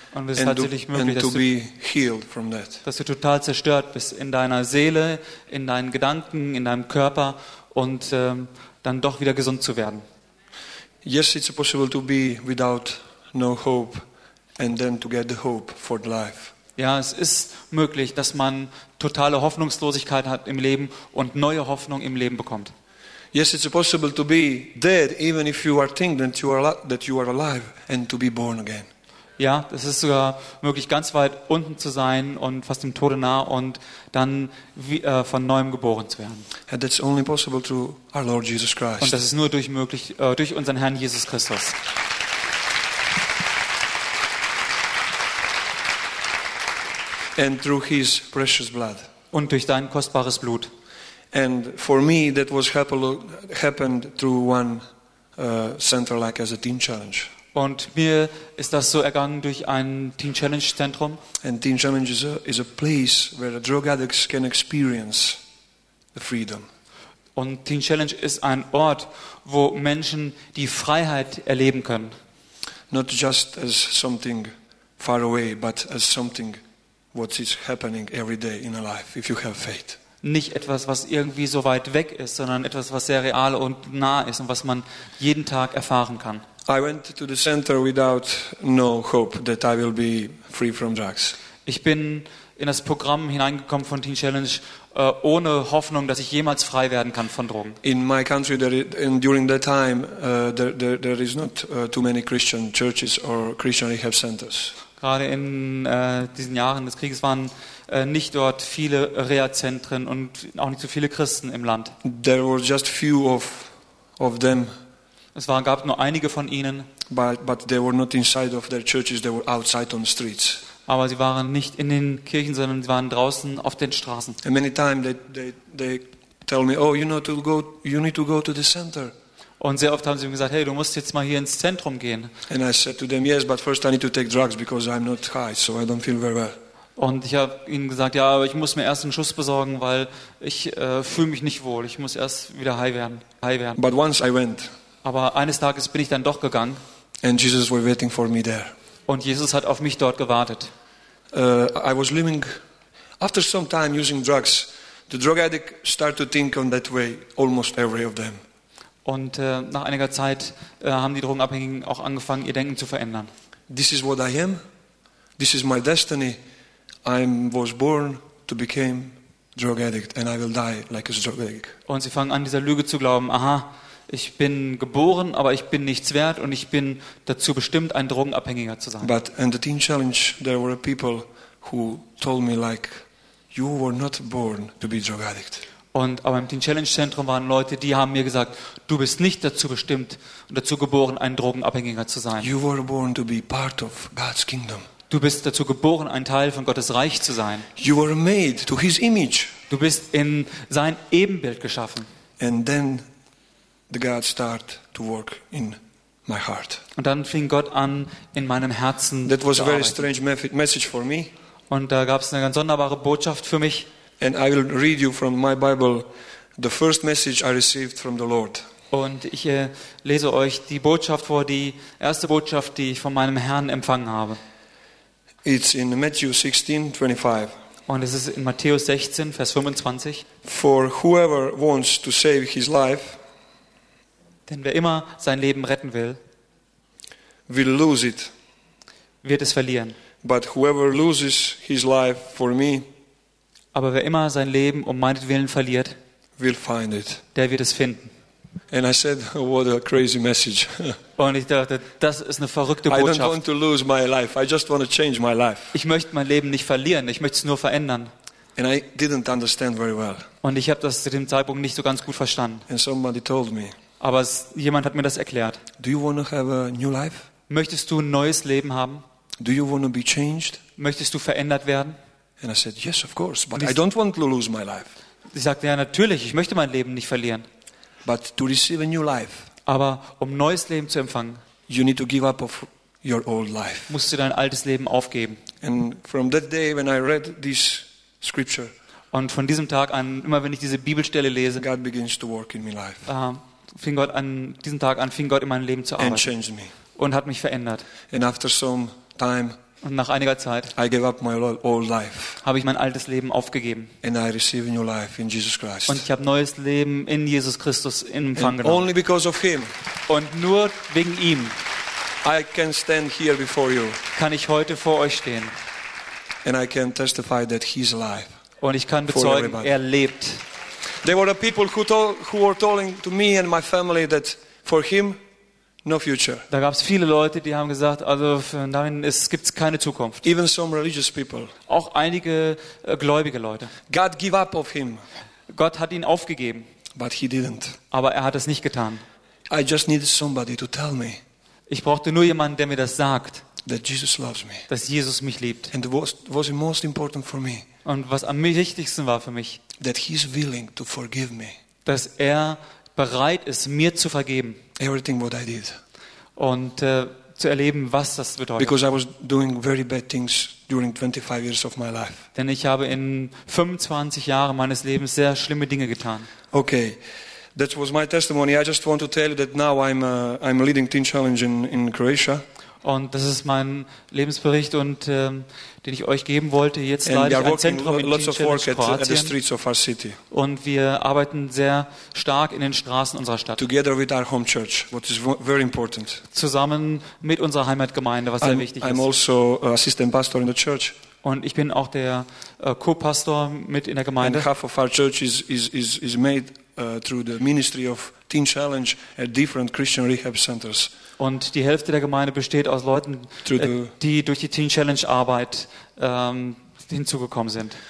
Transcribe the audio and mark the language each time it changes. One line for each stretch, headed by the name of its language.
German: Und es ist natürlich möglich, dass du total zerstört bist in deiner Seele, in deinen Gedanken, in deinem Körper und dann doch wieder gesund zu werden.
English: Yes, it's possible to be without no hope and then to get the hope for life.
German: Ja, es ist möglich, dass man totale Hoffnungslosigkeit hat im Leben und neue Hoffnung im Leben bekommt.
English: Yes, it's possible to be dead even if you are thinking that you are alive and to be born again.
German: Ja, es ist sogar möglich, ganz weit unten zu sein und fast dem Tode nah und dann wie, von neuem geboren zu werden.
English: And that's only possible through our Lord Jesus Christ.
German: Und das ist nur durch möglich durch unseren Herrn Jesus Christus.
English: And through his precious blood.
German: Und durch dein kostbares Blut.
English: And for me, that was happened through one center, like as a team challenge.
German: Und mir ist das so ergangen durch ein Teen Challenge Zentrum.
English: And Teen Challenge is a place where the drug addicts can experience the freedom.
German: Und Teen Challenge ist ein Ort, wo Menschen die Freiheit erleben können.
English: Not just as something far away, but as something what is happening every day in a life if you have faith.
German: Nicht etwas, was irgendwie so weit weg ist, sondern etwas, was sehr real und nah ist und was man jeden Tag erfahren kann.
English: I went to the center without no hope that I will be free from drugs.
German: Ich bin in das Programm hineingekommen von Teen Challenge ohne Hoffnung, dass ich jemals frei werden kann von Drogen.
English: In my country during that time there is not too many Christian churches or Christian rehab centers.
German: Gerade in diesen Jahren des Krieges waren nicht dort viele Reha-Zentren und auch nicht so viele Christen im Land.
English: There were just few of them.
German: Es gab nur einige von ihnen.
English: But they were not inside of their churches, they were outside on the streets.
German: aber sie waren nicht in den Kirchen, sondern sie waren draußen auf den Straßen.
English: And many times they tell me, oh, you need to go to the center.
German: Und sehr oft haben sie mir gesagt, hey, du musst jetzt mal hier ins Zentrum gehen.
English: And I said to them, yes, but first I need to take drugs because I'm not high, so I don't feel very well.
German: Und ich habe ihnen gesagt, ja, aber ich muss mir erst einen Schuss besorgen, weil ich fühle mich nicht wohl. Ich muss erst wieder high werden.
English: But once I went.
German: Aber eines Tages bin ich dann doch gegangen.
English: And Jesus was waiting for me there.
German: Und Jesus hat auf mich dort gewartet.
English: I was living after some time using drugs. The drug addict start to think on that way almost every of them.
German: Und nach einiger Zeit haben die Drogenabhängigen auch angefangen, ihr Denken zu verändern.
English: This is what I am. This is my destiny. I was born to become drug addict and I will die like a drug addict.
German: Und sie fangen an, dieser Lüge zu glauben. Aha, ich bin geboren, aber ich bin nichts wert und ich bin dazu bestimmt, ein Drogenabhängiger zu sein.
English: But in the teen challenge there were people who told me like you were not born to be drug addict.
German: Und aber im Teen Challenge Zentrum waren Leute, die haben mir gesagt, du bist nicht dazu bestimmt und dazu geboren, ein Drogenabhängiger zu sein.
English: You were born to be part of God's kingdom.
German: Du bist dazu geboren, ein Teil von Gottes Reich zu sein.
English: You were made to his image.
German: Du bist in sein Ebenbild geschaffen.
English: And then the God start to work in my heart.
German: Und dann fing Gott an, in meinem Herzen zu arbeiten.
English: That was a very strange message for me.
German: Und da gab es eine ganz sonderbare Botschaft für mich.
English: And I will read you from my Bible the first message I received from the Lord.
German: Und ich lese euch die Botschaft vor, die erste Botschaft, die ich von meinem Herrn empfangen habe.
English: It's in Matthew 16:25.
German: Und es ist in Matthäus 16, Vers 25.
English: For whoever wants to save his life,
German: denn wer immer sein Leben retten will,
English: will lose it.
German: Wird es verlieren.
English: But whoever loses his life for me,
German: aber wer immer sein Leben um meinetwillen verliert,
English: will find it.
German: Der wird es finden.
English: And I said, what a crazy message.
German: Und ich dachte, das ist eine verrückte Botschaft.
English: I don't want to lose my life. I just want to change my life.
German: Ich möchte mein Leben nicht verlieren, ich möchte es nur verändern.
English: And I didn't understand very well.
German: Und ich habe das zu dem Zeitpunkt nicht so ganz gut verstanden.
English: And somebody told me.
German: Aber jemand hat mir das erklärt.
English: Do you want to have a new life?
German: Möchtest du ein neues Leben haben?
English: Do you want to be changed?
German: Möchtest du verändert werden?
English: And I said, yes, of course, but I don't want to lose my life.
German: Ich sagte, ja, natürlich, ich möchte mein Leben nicht verlieren.
English: But to receive a new life,
German: aber um neues Leben zu empfangen,
English: you need to give up of your old life.
German: Musst du dein altes Leben aufgeben.
English: And from that day when I read this scripture,
German: und von diesem Tag an, immer wenn ich diese Bibelstelle lese,
English: God begins to work in my life.
German: Fing Gott an, diesen Tag an, fing Gott in meinem Leben zu arbeiten.
English: And changed me.
German: Und hat mich verändert.
English: And after some time,
German: und nach einiger Zeit
English: I gave up my old life,
German: habe ich mein altes Leben aufgegeben.
English: And I receive a new life in Jesus Christ.
German: Und ich habe neues Leben in Jesus Christus in Empfang genommen.
English: Only because of him,
German: und nur wegen ihm,
English: I can stand here before you,
German: kann ich heute vor euch stehen.
English: And I can testify that he's alive,
German: und ich kann bezeugen, er lebt.
English: There were people who were telling to me and my family that for him, no future.
German: Da gab es viele Leute, die haben gesagt, also für nein, es gibt keine Zukunft.
English: Even some religious people.
German: Auch einige gläubige Leute.
English: God give up of him.
German: Gott hat ihn aufgegeben.
English: But he didn't.
German: Aber er hat es nicht getan.
English: I just needed somebody to tell me.
German: Ich brauchte nur jemanden, der mir das sagt.
English: That Jesus loves me.
German: Dass Jesus mich liebt.
English: And was most important for me.
German: Und was am wichtigsten war für mich.
English: That he's willing to forgive me.
German: Dass er bereit ist, mir zu vergeben.
English: Everything what I did.
German: Und zu erleben, was das bedeutet.
English: Because I was doing very bad things during 25 years of my life.
German: Denn ich habe in 25 Jahren meines Lebens sehr schlimme Dinge getan.
English: Okay, that was my testimony. I just want to tell you that now I'm leading Teen Challenge in Croatia.
German: Und das ist mein Lebensbericht und den ich euch geben wollte. Jetzt leite ich ein Zentrum in Teen Challenge Kroatien.
English: The streets of our city.
German: Und wir arbeiten sehr stark in den Straßen unserer Stadt.
English: Together with our home church, what is very important.
German: Zusammen mit unserer Heimatgemeinde, was sehr wichtig ist.
English: I'm also assistant pastor in the church.
German: Und ich bin auch der Co-Pastor mit in der Gemeinde.
English: And half of our church is made through the ministry of Teen Challenge at different Christian rehab centers.
German: Und die Hälfte der Gemeinde besteht aus Leuten, die durch die Teen Challenge Arbeit hinzugekommen sind.